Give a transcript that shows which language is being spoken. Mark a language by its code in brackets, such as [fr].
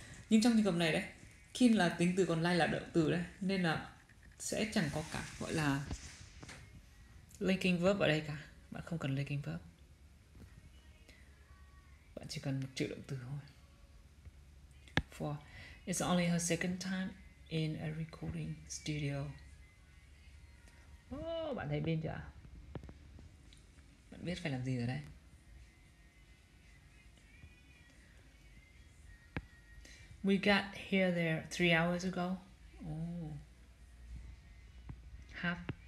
[vi] Nhưng trong trường hợp này đấy, khi là tính từ còn like là động từ đấy, nên là sẽ chẳng có cả gọi là linking verb ở đây cả. Bạn không cần linking verb. Bạn chỉ cần một chữ động từ thôi. [en] Four. It's only her second time in a recording studio. [vi] Oh, bạn thấy bên chưa? Bạn biết phải làm gì rồi đấy. [en] We got here there 3 hours ago. Oh. Half.